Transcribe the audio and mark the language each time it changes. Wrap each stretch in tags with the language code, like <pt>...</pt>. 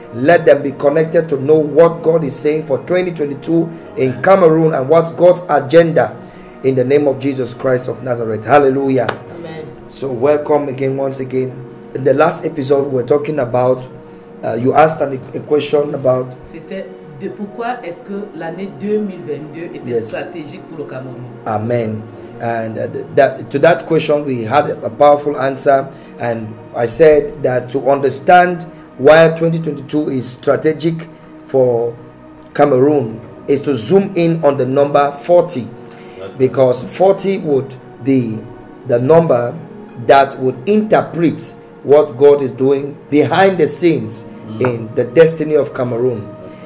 <en>Let them be connected to know what God is saying for 2022 in Cameroon and what's God's agenda, in the name of Jesus Christ of Nazareth. Hallelujah. Amen. So welcome again, once again. In the last episode, we're talking about, you asked a question about...</en> <fr>C'était de pourquoi est-ce que l'année 2022 était stratégique pour le Cameroun.</fr> <en>Amen. And to that question, we had a powerful answer. And I said that to understand why 2022 is strategic for Cameroon is to zoom in on the number 40, because 40 would be the number that would interpret what God is doing behind the scenes in the destiny of Cameroon.</en>